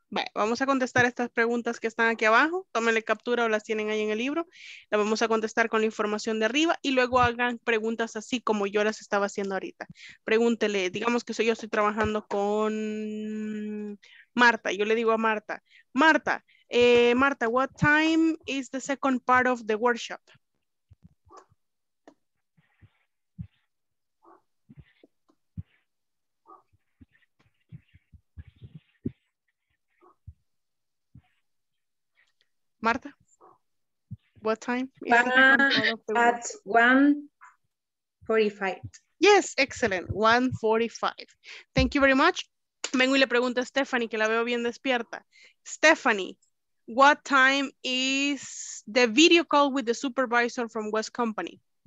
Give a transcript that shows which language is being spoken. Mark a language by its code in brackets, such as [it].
[es] Bueno, vamos a contestar estas preguntas que están aquí abajo. Tómenle captura o las tienen ahí en el libro. Las vamos a contestar con la información de arriba y luego hagan preguntas así como yo las estaba haciendo ahorita. Pregúntele, digamos que yo estoy trabajando con Marta. Yo le digo a Marta, [en] Marta, what time is the second part of the workshop? Marta, what time? At 1:45. Yes, excellent. 1:45. Thank you very much. [es] Vengo y le pregunto a Stephanie, que la veo bien despierta. [en] Stephanie, what time is the video call with the supervisor from West Company?